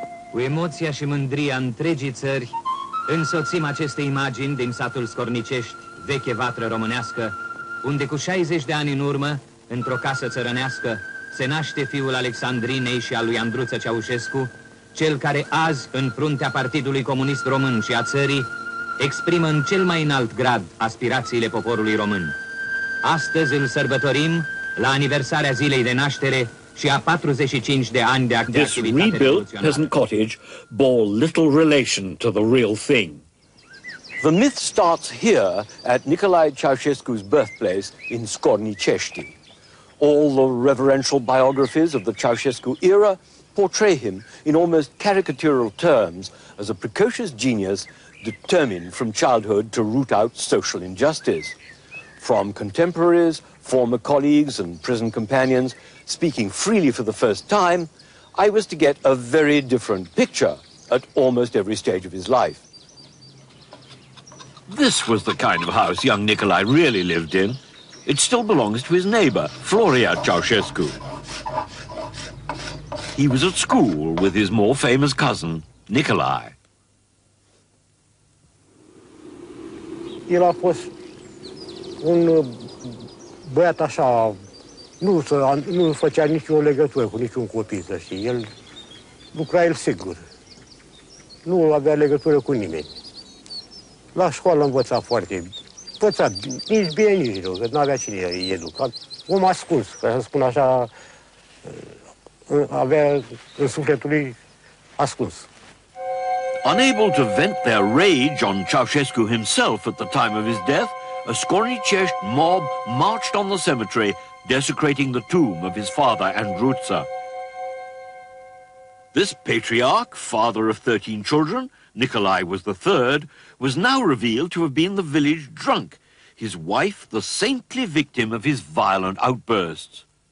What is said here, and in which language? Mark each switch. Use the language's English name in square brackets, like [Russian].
[Romanian] Cu emoția și mândria întregii țări, însoțim aceste imagini din satul Scornicești, veche vatră românească, unde cu 60 de ani în urmă, într-o casă țărănească, se naște fiul Alexandrinei și al lui Andruță Ceaușescu, cel care azi, în fruntea Partidului Comunist Român și a țării, exprimă în cel mai înalt grad aspirațiile poporului român. Astăzi îl sărbătorim la aniversarea zilei de naștere și a 45 de ani de activitate revoluționară. [English] This rebuilt peasant cottage bore little relation to the real thing. The myth starts here at Nicolae Ceaușescu's birthplace in Scornicești. All the reverential biographies of the Ceaușescu era portray him in almost caricatural terms as a precocious genius determined from childhood to root out social injustice. From contemporaries, former colleagues and prison companions speaking freely for the first time, I was to get a very different picture at almost every stage of his life. This was the kind of house young Nicolae really lived in. It still belongs to his neighbor, Floria Ceaușescu. He was at school with his more famous cousin, Nicolae. [Romanian] El a fost un băiat așa, nu făcea nicio legătură cu niciun copil, să știi. El lucra el singur. Nu avea legătură cu nimeni. La școală învăța foarte bine. Învăța nici bine, nici rău, că nu avea cine să-i educa. Om ascuns, ca să spun așa, avea în sufletul lui ascuns. [English] Unable to vent their rage on Ceaușescu himself at the time of his death, a Scornicești mob marched on the cemetery, desecrating the tomb of his father, Andruță. This patriarch, father of 13 children, Nicolae was the third, was now revealed to have been the village drunk, his wife the saintly victim of his violent outbursts.